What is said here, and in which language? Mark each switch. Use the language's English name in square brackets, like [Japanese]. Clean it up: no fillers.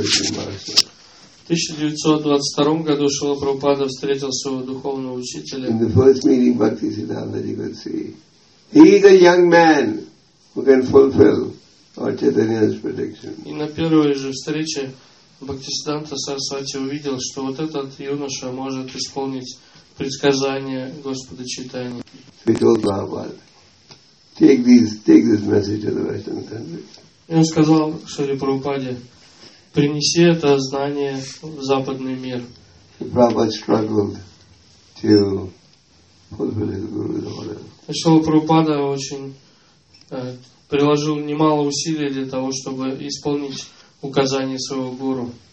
[Russian] 1922 году Шрила Прабхупада встретил своего духовного учителя. [English] In the first meeting, Bhaktisiddhanta, you could see, he is a young man who can fulfill Lord Chaitanya's prediction. [Russian] И на первой же встрече Бхактисиддханта Сарасвати увидел, что вот этот юноша может исполнить предсказание Господа Чайтаньи. [English] He told Prabhupada, take this message to the Western countries. [Russian] И он сказал Шриле Прабхупаде, принеси это знание в западный мир. [English] So Prabhupada struggled to fulfill his guru's order. [Russian] Шрила Прабхупада очень приложил немало усилий для того, чтобы исполнить указания своего гуру.